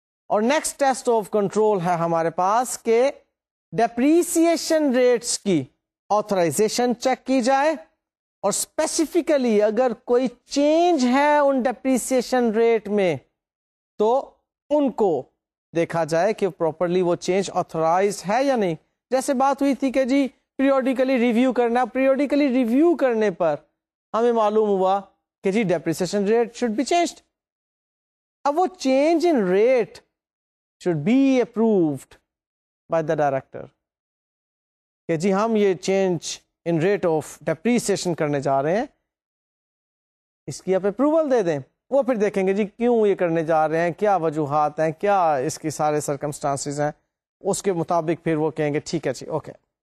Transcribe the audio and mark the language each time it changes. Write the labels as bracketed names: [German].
[Urdu] اور next test of control ہے ہمارے پاس کہ ڈیپریسیشن ریٹس کی آتھرائزیشن چیک کی جائے, اور اسپیسیفکلی اگر کوئی چینج ہے ان ڈیپریسیشن ریٹ میں تو ان کو دیکھا جائے کہ پراپرلی وہ چینج آتھرائز ہے یا نہیں. جیسے بات ہوئی تھی کہ جی پیریوڈیکلی ریویو کرنا, پیریوڈیکلی ریویو کرنے پر ہمیں معلوم ہوا کہ جی depreciation rate [English] Should be changed. [Urdu] اب وہ change in rate [English] should be approved by the director. [Urdu] کہ جی ہم یہ change in rate of depreciation کرنے جا رہے ہیں, اس کی آپ اپروول دے دیں. وہ پھر دیکھیں گے جی کیوں یہ کرنے جا رہے ہیں, کیا وجوہات ہیں, کیا اس کی سارے سرکمسٹانسز ہیں, اس کے مطابق پھر وہ کہیں گے ٹھیک ہے جی اوکے.